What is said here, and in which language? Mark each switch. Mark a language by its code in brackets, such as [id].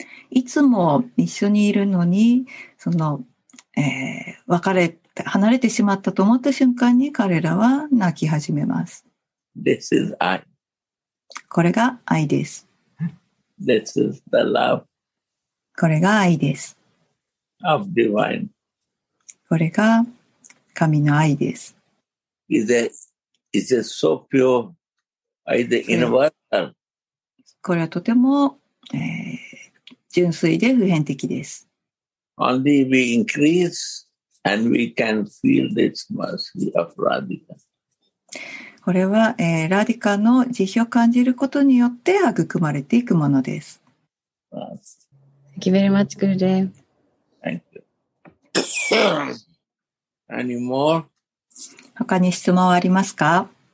[ja] いつも一緒にいるのに、その、離れてしまったと思った瞬間に彼らは泣き始めます。 [en] This is I. [ja] これが愛です。 [en] This is the love. [ja] これが愛です。 [en] Of divine. [ja] これが神の愛です。 [en] Is it so pure? Is it universal? [ja] これはとても、純粋で普遍的です。 [en] Only we increase and we can feel this mercy of Radhika. [ja] これは、ラディカの慈悲を感じることによって育まれていくものです。 [en] Thank you very much, Gurudev. Thank you. Any more? [ja] 他に質問ありますか？